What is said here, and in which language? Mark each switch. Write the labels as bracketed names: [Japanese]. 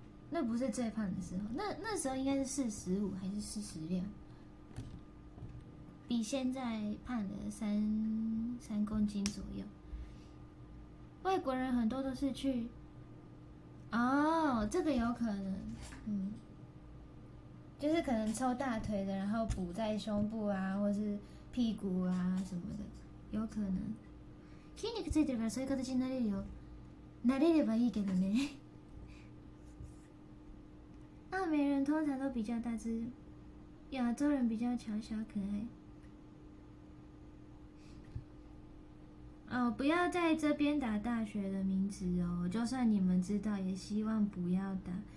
[Chinese] 那不是最胖的时候，那时候应该是45还是46，比现在胖了三公斤左右。外国人很多都是去。哦，这个有可能，就是可能抽大腿的，然后补在胸部啊，或是屁股啊什么的，有可能。 [Japanese] 筋肉ついてるからそういう形になれるよ。なれればいいけどね。 [Chinese] 阿美人通常都比较大只，亚洲人比较小巧可爱。哦，不要在这边打大学的名字哦，就算你们知道也希望不要打。